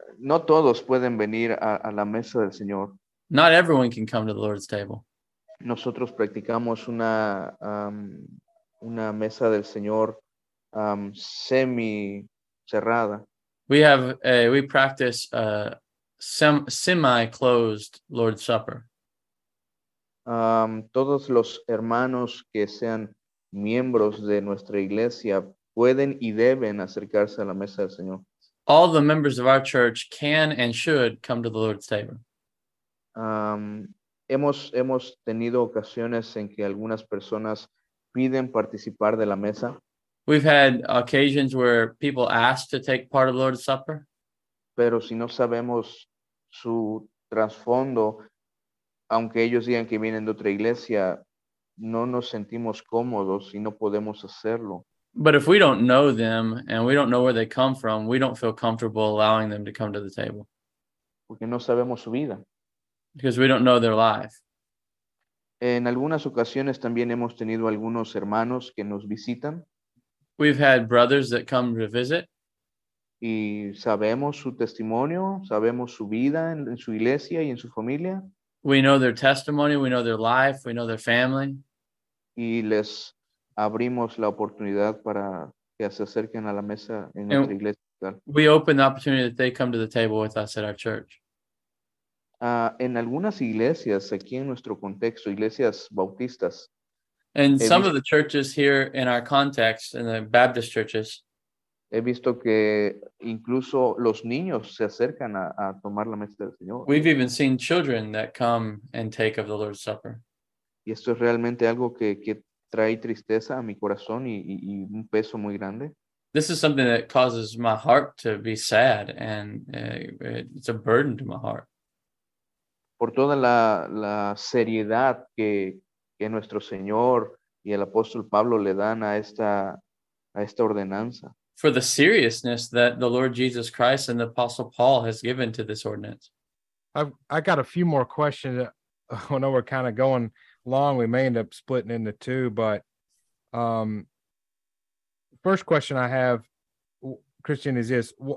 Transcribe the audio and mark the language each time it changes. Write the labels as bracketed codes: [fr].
[es] No todos pueden venir a la mesa del Señor. [en] Not everyone can come to the Lord's table. [es] Nosotros practicamos una mesa del Señor semi cerrada. [en] We practice semi closed Lord's Supper. [es] Todos los hermanos que sean miembros de nuestra iglesia pueden y deben acercarse a la mesa del Señor. [en] All the members of our church can and should come to the Lord's table. [es] Hemos tenido ocasiones en que algunas personas piden participar de la mesa. [en] We've had occasions where people ask to take part of the Lord's Supper. [es] Pero si no sabemos su trasfondo, aunque ellos digan que vienen de otra iglesia, no nos sentimos cómodos y no podemos hacerlo. [en] But if we don't know them and we don't know where they come from, we don't feel comfortable allowing them to come to the table. [es] Porque no sabemos su vida. [en] Because we don't know their life. [es] En algunas ocasiones también hemos tenido algunos hermanos que nos visitan. [en] We've had brothers that come to visit. [es] Y sabemos su testimonio, sabemos su vida en su iglesia y en su familia. [en] We know their testimony, we know their life, we know their family. [es] Y les abrimos la oportunidad para que se acerquen a la mesa en [en] and [es] nuestra iglesia. [en] We open the opportunity that they come to the table with us at our church. [es] En algunas iglesias aquí en nuestro contexto, iglesias bautistas. [en] And some of the churches here in our context, in the Baptist churches. [es] He visto que incluso los niños se acercan a tomar la mesa del Señor. [en] We've even seen children that come and take of the Lord's Supper. [es] Y esto es realmente algo que trae tristeza a mi corazón y un peso muy grande. [en] This is something that causes my heart to be sad, and it's a burden to my heart. [es] Por toda la seriedad que nuestro Señor y el apóstol Pablo le dan a esta ordenanza. [en] For the seriousness that the Lord Jesus Christ and the Apostle Paul has given to this ordinance. I got a few more questions. I know we're kind of going long. We may end up splitting into two, but first question I have, Cristian, is this.